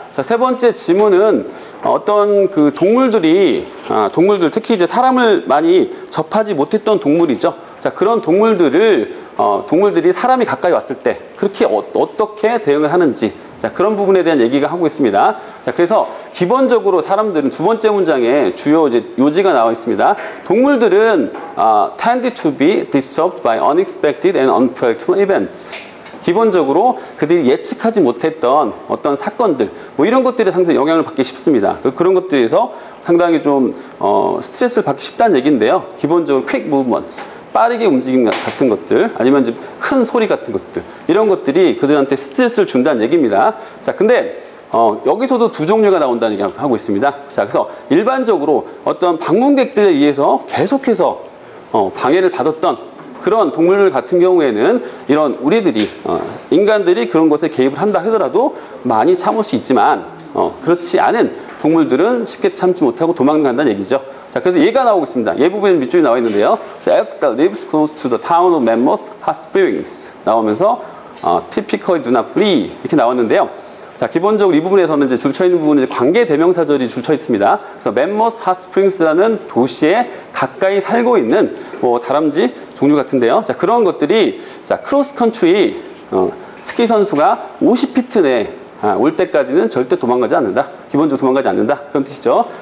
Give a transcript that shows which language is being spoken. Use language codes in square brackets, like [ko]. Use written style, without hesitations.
[ko] 자, 세 번째 지문은 어떤 그 동물들, 특히 이제 사람을 많이 접하지 못했던 동물이죠. 자, 그런 동물들을, 동물들이 사람이 가까이 왔을 때, 그렇게 어떻게 대응을 하는지, 자, 그런 부분에 대한 얘기가 하고 있습니다. 자, 그래서 기본적으로 사람들은 두 번째 문장에 주요 이제 요지가 나와 있습니다. 동물들은, [en] tend to be disturbed by unexpected and unpredictable events. [ko] 기본적으로 그들이 예측하지 못했던 어떤 사건들 뭐 이런 것들에 상당히 영향을 받기 쉽습니다. 그런 것들에서 상당히 좀 스트레스를 받기 쉽다는 얘기인데요. 기본적으로 quick movements, 빠르게 움직임 같은 것들 아니면 이제 큰 소리 같은 것들 이런 것들이 그들한테 스트레스를 준다는 얘기입니다. 자, 근데 여기서도 두 종류가 나온다는 얘기를 하고 있습니다. 자, 그래서 일반적으로 어떤 방문객들에 의해서 계속해서 방해를 받았던 그런 동물 같은 경우에는 이런 우리들이 인간들이 그런 것에 개입을 한다 하더라도 많이 참을 수 있지만 그렇지 않은 동물들은 쉽게 참지 못하고 도망간다는 얘기죠. 자, 그래서 얘가 나오고 있습니다. 얘 부분에 밑줄이 나와 있는데요. [en] So, elk that lives close to the town of mammoth hot springs [ko] 나오면서 [en] typically do not flee [ko] 이렇게 나왔는데요. 자, 기본적으로 이 부분에서는 이제 줄쳐 있는 부분은 관계 대명사절이 줄쳐 있습니다. 그래서 mammoth hot springs라는 도시에 가까이 살고 있는 뭐 다람쥐 종류 같은데요. 자, 그런 것들이 자, 크로스 컨트리 스키 선수가 50피트 내 올 때까지는 절대 도망가지 않는다. 기본적으로 도망가지 않는다. 그런 뜻이죠.